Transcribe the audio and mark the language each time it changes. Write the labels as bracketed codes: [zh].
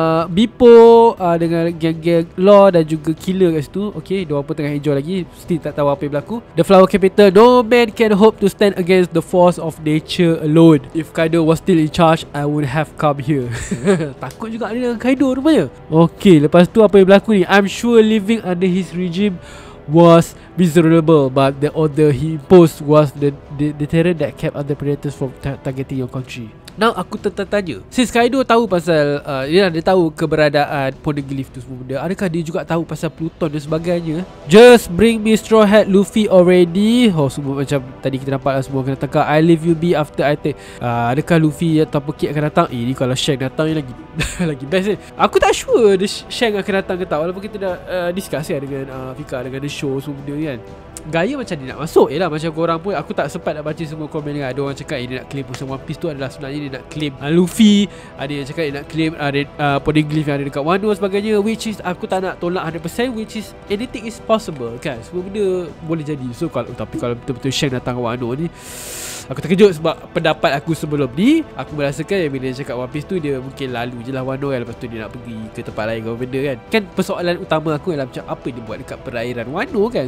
[ms] Bipo dengan geng-geng Law dan juga Killer kat situ. Okay, diorang pun tengah enjoy lagi. [en] Still [ms] tak tahu apa yang berlaku. [en] The flower capital. No man can hope to stand against the force of nature alone. If Kaido was still in charge, I would have come here. [ms] Takut juga ni dengan Kaido rupanya. Okay, lepas tu apa yang berlaku ni? [en] I'm sure living under his regime was miserable, but the order he imposed was the deterrent that kept other predators from targeting your country. [ms] Now aku tertanya, since Kaido tahu pasal dia tahu keberadaan Poneglyph tu semua benda, adakah dia juga tahu pasal Pluton dan sebagainya? [en] Just bring me Straw Hat Luffy already. [ms] Oh, semua macam tadi kita nampak lah, semua kena tegak. [en] I leave you be after I take. [ms] Adakah Luffy atau Pekik akan datang? Ini kalau Shang datang ni lagi lagi best ni. Aku tak sure the Shang akan datang ke tak, walaupun kita dah discuss kan dengan Fika, dengan the show semua benda ni kan. Gaya macam dia nak masuk. Yelah, macam korang pun, aku tak sempat nak baca semua komen dengan. Ada orang cakap dia nak claim pusat One Piece tu adalah sebenarnya dia nak claim Luffy. Ada yang cakap dia nak claim Poneglyph yang ada dekat Wano sebagainya. [en] Which is [ms] aku tak nak tolak 100%, [en] which is anything is possible kan. [ms] Semua benda boleh jadi. So kalau, tapi kalau betul-betul Shang datang ke Wano ni, aku terkejut. Sebab pendapat aku sebelum ni, aku merasakan yang bila dia cakap One Piece tu, dia mungkin lalu je lah Wano kan. Lepas tu dia nak pergi ke tempat lain ke benda kan. Kan persoalan utama aku ialah macam apa dia buat dekat perairan Wano kan.